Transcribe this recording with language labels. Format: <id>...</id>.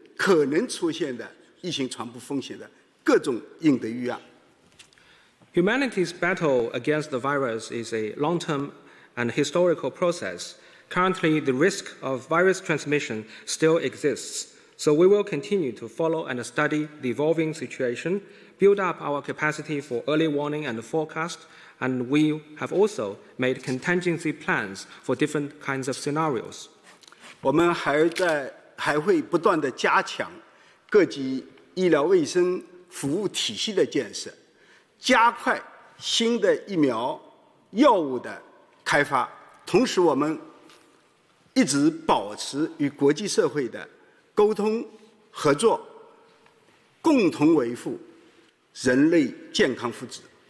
<zh>可能出现的疫情传播风险的各种应对预案。</zh> <en>Humanity's battle against the virus is a long-term and historical process. Currently, the risk of virus transmission still exists. So we will continue to follow and study the evolving situation, build up our capacity for early warning and forecast, and we have also made contingency plans for different kinds of scenarios.</en> <zh>我们还会不断地加强各级医疗卫生服务体系的建设，加快新的疫苗药物的开发，同时我们一直保持与国际社会的沟通合作，共同维护人类健康福祉。</zh>